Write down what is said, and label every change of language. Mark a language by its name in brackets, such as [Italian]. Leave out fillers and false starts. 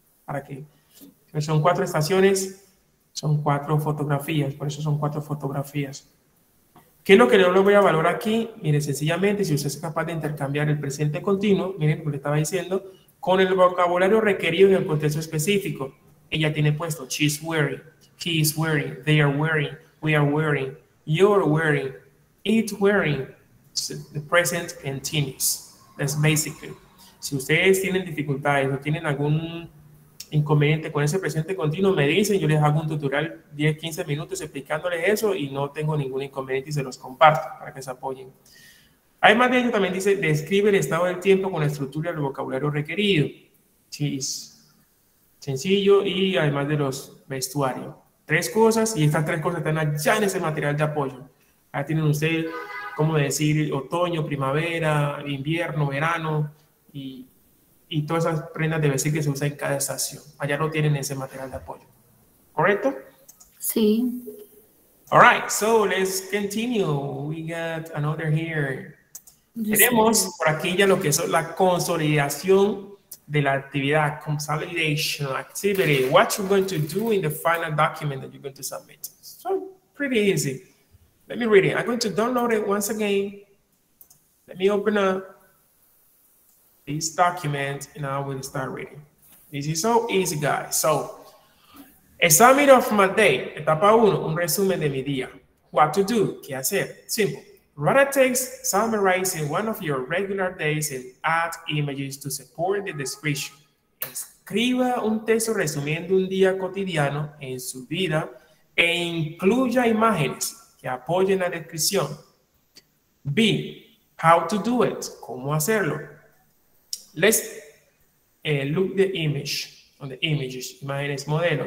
[Spanish] para que son cuatro estaciones, son cuatro fotografías, por eso son cuatro fotografías. ¿Qué es lo que no lo voy a valorar aquí? Mire, sencillamente, si usted es capaz de intercambiar el presente continuo, miren lo que estaba diciendo, con el vocabulario requerido en el contexto específico. Ella tiene puesto, [English] she's wearing, he is wearing, they are wearing, we are wearing, you're wearing, it's wearing, the present continuous. That's basically. [Spanish] Si ustedes tienen dificultades o tienen algún inconveniente con ese presente continuo, me dicen, yo les hago un tutorial 10, 15 minutos explicándoles eso y no tengo ningún inconveniente y se los comparto para que se apoyen. Además de ello, también dice, describe el estado del tiempo con la estructura del vocabulario requerido. Cheese. Sencillo y además de los vestuarios. Tres cosas y estas tres cosas están ya en ese material de apoyo. Ahí tienen ustedes cómo decir otoño, primavera, invierno, verano y todas esas prendas de vestir que se usan en cada estación. Allá no tienen ese material de apoyo. ¿Correcto? Sí. [English] All right, so let's continue. We got another here. [Spanish] Listo. Tenemos por aquí ya lo que es la consolidación de la actividad. [English] Consolidation activity. What you're going to do in the final document that you're going to submit. So, pretty easy. Let me read it. I'm going to download it once again. Let me open up this document and I will start reading. This is so easy, guys. So, examine of my day. [Spanish] Etapa 1, un resumen de mi día. [English] What to do, [Spanish] qué hacer. Simple. [English] Write a text summarizing one of your regular days and add images to support the description. [Spanish] Escriba un texto resumiendo un día cotidiano en su vida e incluya imágenes que apoyen la descripción. [English] B. How to do it. [Spanish] ¿Cómo hacerlo? [English] Let's look the image, on the images, [Spanish] imágenes, modelo.